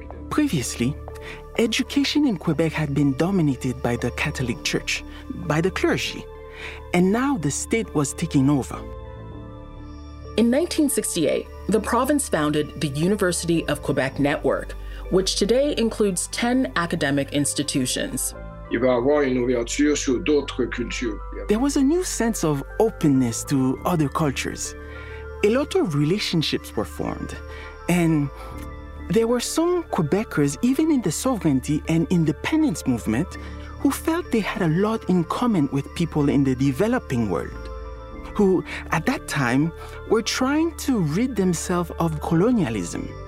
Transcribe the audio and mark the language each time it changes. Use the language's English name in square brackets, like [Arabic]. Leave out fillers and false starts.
[English] Previously, education in Quebec had been dominated by the Catholic Church, by the clergy, and now the state was taking over. In 1968, the province founded the University of Quebec Network, which today includes 10 academic institutions. [French] Il va avoir une ouverture sur d'autres cultures. [English] There was a new sense of openness to other cultures. A lot of relationships were formed, and there were some Quebecers, even in the sovereignty and independence movement, who felt they had a lot in common with people in the developing world, who, at that time, were trying to rid themselves of colonialism.